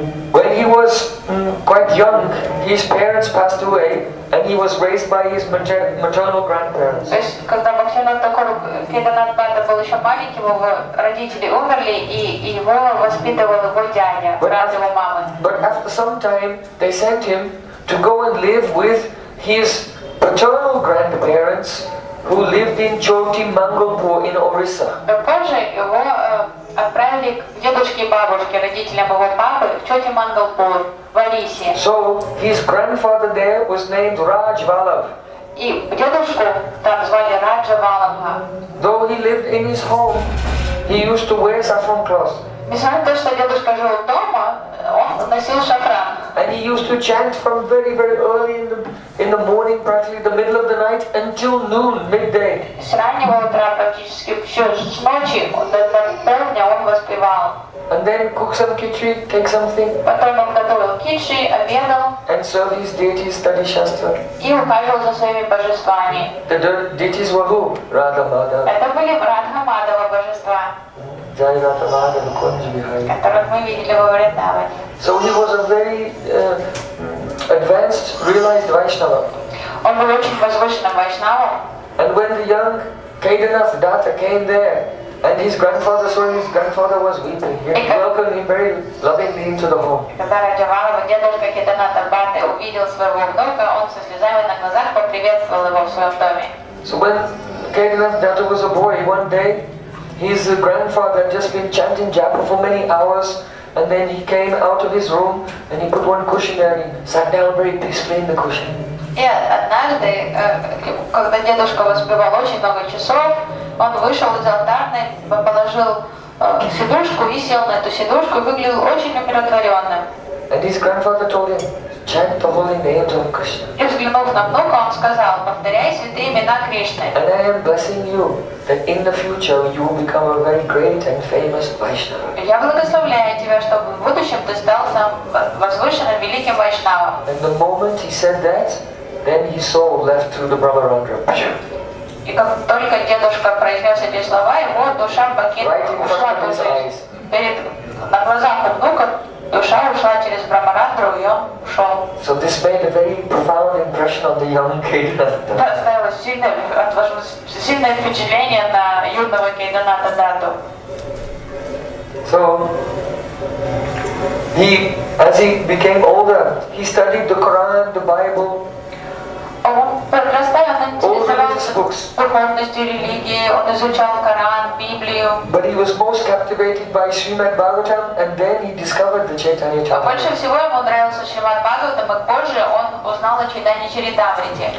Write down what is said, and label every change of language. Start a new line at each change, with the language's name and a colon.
English: When he was quite young, his parents passed away, and he was raised by his maternal grandparents.
Russian: То есть, когда Бхактивинода Такур Кеданат Бхатта был еще маленьким, его родители умерли, и его воспитывал его дядя, брат его мамы.
English: But after some time, they sent him to go and live with his paternal grandparents, who lived in Choti Mangalpur in Orissa.
Russian: Но позже его отправили к дедушке и бабушке, родителям его папы, в Чоти Мангалпур.
English: So his grandfather there was named Raj Vallabh.
Russian: И дедушку там звали Раджа Валабха.
English: Though he lived in his home, he used to wear saffron cloth.
Russian: Несмотря на то, что дедушка жил дома, он носил шафран.
English: And he used to chant from very, very early in the morning, practically the middle of the night, until noon, midday.
Russian: С раннего утра практически все с ночи до полдня он воспевал.
English: And then cook some khichdi, take something.
Russian: Потом он готовил khichdi, обедал.
English: And serve his deities, study shastra.
Russian: И ухаживал за своими божествами.
English: The deities were who? Radha Madhava.
Russian: Это были Радха Мадхава божества.
Hindi: Jai Radha Madhava, Kunj Bihari.
Russian: Которых мы видели во Вриндаване.
English: So he was a very advanced, realized Vaishnava.
Russian: Он был очень возвышенным Вайшнава.
English: And when the young Kedarnath Datta came there, and his grandfather saw his grandfather was weeping. He welcomed him very lovingly into the home.
Russian: Когда Раджавалова, дедушка Кеданата Бхатта, увидел своего внука, он со слезами на глазах поприветствовал его в своем доме.
English: So when Kedanath Datta was a boy, one day his grandfather had just been chanting japa for many hours, and then he came out of his room and he put one cushion there and he sat down very peacefully in the cushion.
Russian: И однажды, когда дедушка воспевал очень много часов, он вышел из алтарной, положил сидушку и сел на эту сидушку и выглядел очень умиротворенным.
English: And his grandfather told him, chant the holy names of Krishna.
Russian: И взглянув на внука, он сказал, повторяй святые имена Кришны.
English: And I am blessing you that in the future you will become a very great and famous Vaishnava.
Russian: Я благословляю тебя, чтобы в будущем ты стал самым возвышенным великим Вайшнавом.
English: And the moment he said that, then his soul left through the Brahmarandra.
Russian: И как только дедушка произнес эти слова, его душа покинула, ушла перед на глазах внука. Душа ушла через Брамарандру, и он ушел.
English: So this made a very profound impression on the young Кейданатта.
Russian: Оставило сильное впечатление на юного Кейданатта Датту.
English: So he, as he became older, he studied the Quran, the Bible.
Russian: Он подрастал, он интересовался духовностью религии, он изучал Коран, Библию.
English: But he was most captivated by Srimad Bhagavatam, and then he discovered the Chaitanya Charitamrita.
Russian: Больше всего ему нравился Шримад Бхагаватам, и позже он узнал о Чайтанье Чаритамрите.